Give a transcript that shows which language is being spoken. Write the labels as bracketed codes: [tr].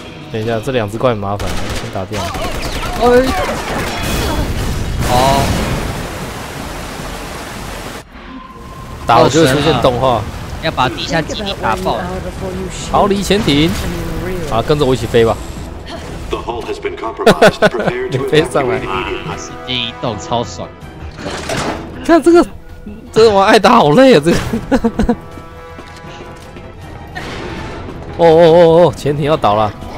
[zh] 等一下，这两只怪很麻烦，先打掉。哎。打了就会出现动画，要把底下基地打爆。逃离潜艇，好，跟着我一起飞吧。 [en] The hull has been compromised. [zh] 飞上来，啊，是第一栋超爽。看这个，这玩艾达好累啊，这个。哦哦哦哦，潜艇要倒了。